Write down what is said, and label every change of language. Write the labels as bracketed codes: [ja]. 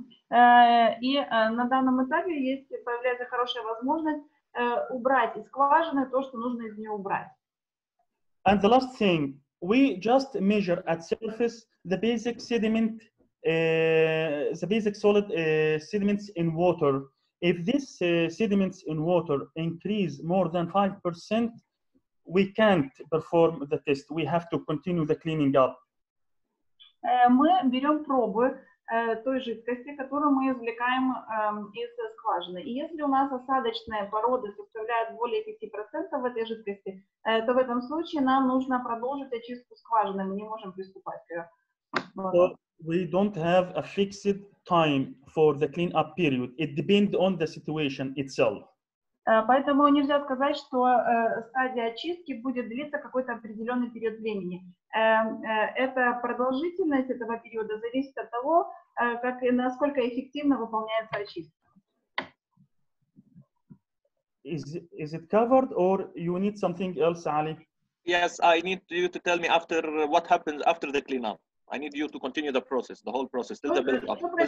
[ru] На данном этапе появляется хорошая возможность убрать из скважины то, что нужно из нее убрать. [en] And the last thing, we just measure at surface the basic sediment. The basic solid sediments in water. If these sediments in water increase more than 5%, we can't perform the test. We have to continue the cleaning up. [ru] Мы берем пробы той жидкости, которую мы извлекаем из скважины. И если у нас осадочные породы составляют более 5% этой жидкости, то в этом случае нам нужно продолжить очистку скважины, мы не можем приступать к ее. [en] But we don't have a fixed time for the clean-up period. It depends on the situation itself. [ru] Поэтому нельзя сказать, что стадия очистки будет длиться какой-то определенный период времени. Эта продолжительность этого периода зависит от того, как и насколько эффективно выполняется очистка. [en] Is it covered or you need something else, Ali? Yes, I need you to tell me after what happens after the clean-up. I need you to continue the process, the whole process, till the build-up.